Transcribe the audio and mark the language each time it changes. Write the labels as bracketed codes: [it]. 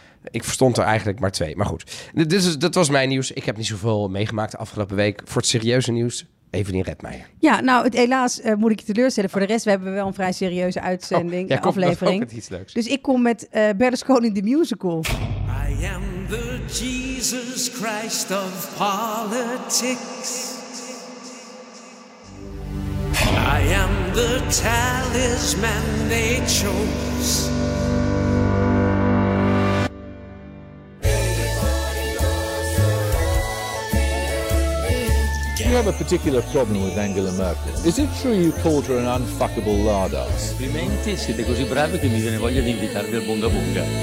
[nl] Ik verstond er eigenlijk maar twee. Maar goed, dat was mijn nieuws. Ik heb niet zoveel meegemaakt de afgelopen week. Voor het serieuze nieuws, Evelien Redmeijer. Ja, nou, helaas moet ik je teleurstellen. Voor de rest, we hebben wel een vrij serieuze uitzending, aflevering. Komt met iets leuks. Dus ik kom met Berlusconi the Musical. [en] I am the Jesus Christ of politics. I am the talisman they chose. You have a particular problem with Angela Merkel. Is it true you called her an unfuckable lardass? [it] Complimenti, siete così bravi che mi viene voglia di invitarvi al Bunga Bunga.